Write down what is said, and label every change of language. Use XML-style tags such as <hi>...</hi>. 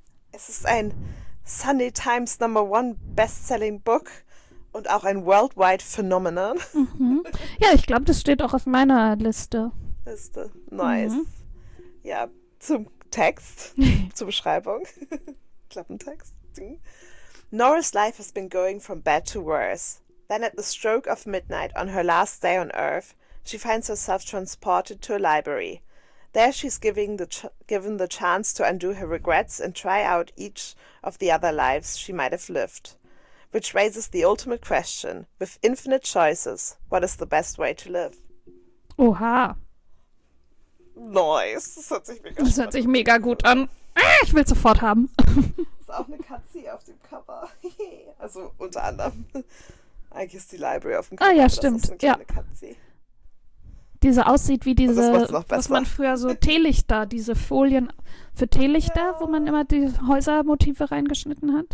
<de>Es ist ein</de> <en>Sunday Times Number One Bestselling Book</en> <de>und auch ein</de> <en>Worldwide Phenomenon. Mhm.</en> <de>Ja, ich glaube, das steht auch auf meiner Liste. Liste, nice. Mhm. Ja, zum Text, zur Beschreibung. Klappentext.</de> <en>Nora's life has been going from bad to worse. Then at the stroke of midnight on her last day on Earth, she finds herself transported to a library. There she's given the chance to undo her regrets and try out each of the other lives she might have lived. Which raises the ultimate question, with infinite choices, what is the best way to live? Oha.</en> <de>Nice. Das hört sich mega, das hört sich mega gut an. Ah, ich will es sofort haben. Ist auch eine Katze hier auf dem Cover. Also unter anderem. Eigentlich ist die Library auf dem Cover. Ah ja, stimmt. Das ist eine Katze. Diese aussieht wie diese, was man früher so Teelichter, diese Folien für Teelichter, ja, wo man immer die Häusermotive reingeschnitten hat.</de>